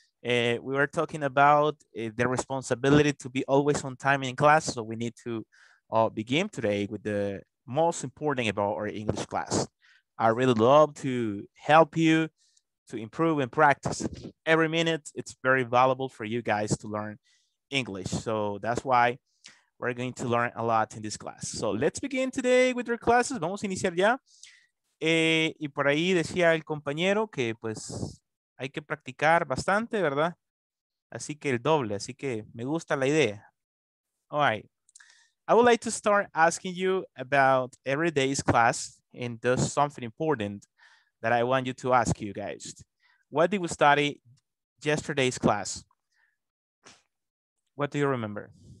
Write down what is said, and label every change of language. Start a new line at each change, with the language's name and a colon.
English: We were talking about the responsibility to be always on time in class, so we need to begin today with the most important about our English class. I really love to help you to improve and practice. Every minute, it's very valuable for you guys to learn English. So that's why we're going to learn a lot in this class. So let's begin today with your classes.
Spanish: Vamos a iniciar ya. Y por ahí decía el compañero que pues hay que practicar bastante, ¿verdad? Así que el doble. Así que me gusta la idea.
English: All right. I would like to start asking you about every day's class and does something important that I want you to ask you guys. What did we study yesterday's class? What do you remember?